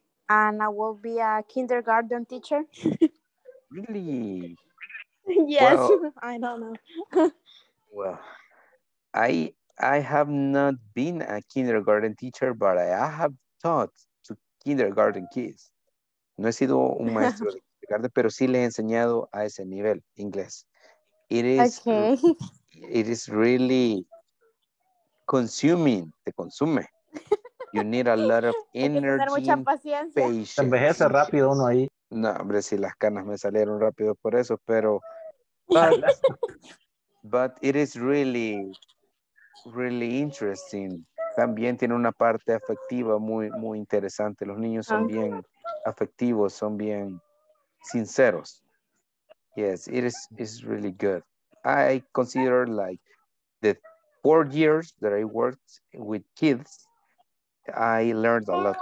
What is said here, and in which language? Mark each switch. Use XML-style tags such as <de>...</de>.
<en>And I will be a kindergarten teacher. Really? Yes. Well, I don't know. Well, I have not been a kindergarten teacher, but I have taught to kindergarten kids.</en> <es>No he sido un maestro de kindergarten, pero sí les he enseñado a ese nivel inglés. It is really consuming. Te consume.</es> <en>You need a lot of energy.</en> <es>Mucha paciencia. Envejece rápido uno ahí. No, hombre, sí, las canas me salieron rápido por eso, pero</es> <en>but it is really, really interesting.</en> <es>También tiene una parte afectiva muy, muy interesante. Los niños son bien afectivos, son bien sinceros.</es> <en>Yes, it is, it's really good. I consider like the 4 years that I worked with kids, I learned a lot.</en>